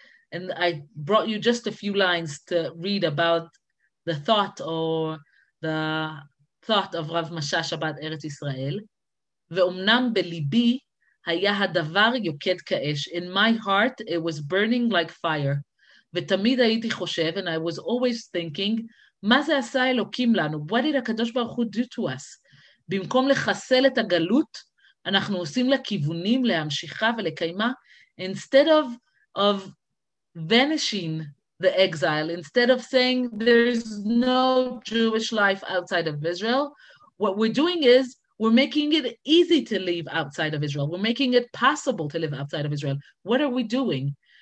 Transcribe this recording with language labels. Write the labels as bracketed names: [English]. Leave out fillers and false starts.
[English] And I brought you just a few lines to read about the thought or the thought of Rav Mashash about Eretz Israel. [Hebrew] Ve'umnam belibi haya hadavar yoked ka'esh. [English] In my heart, it was burning like fire. Ve'tamid hayiti choshev, and I was always thinking, מה זה עשה אלוקים לנו? What did הקדוש ברוך הוא do to us? [Hebrew] במקום לחסל את הגלות, אנחנו עושים לכיוונים, להמשיכה ולקיימה. [English] Instead of vanishing the exile, instead of saying there is no Jewish life outside of Israel, what we're doing is we're making it easy to live outside of Israel. We're making it possible to live outside of Israel. What are we doing?